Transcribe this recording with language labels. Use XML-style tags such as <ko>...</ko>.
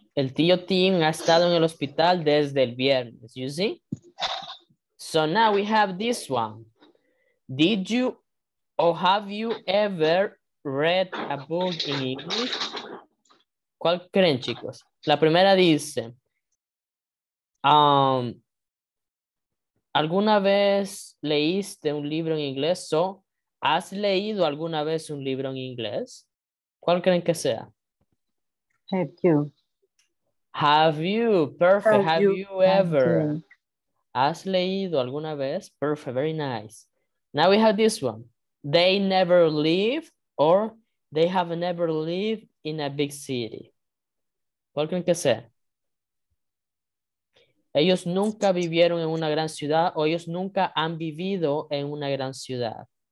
<es>El tío Tim ha estado en el hospital desde el viernes.</es> <en>You see? So now we have this one. Did you or have you ever read a book in English?</en> <es>¿Cuál creen, chicos? La primera dice, ¿alguna vez leíste un libro en inglés? ¿O has leído alguna vez un libro en inglés? ¿Cuál creen que sea?</es> <en>Have you. Perfect. Have you ever.</en> <es>¿Has leído alguna vez?</es> <en>Perfect. Very nice. Now we have this one. They never live or they have never lived in a big city.</en> <es>¿Cuál creen que sea? ¿Ellos nunca vivieron en una gran ciudad o ellos nunca han vivido en una gran ciudad?</es>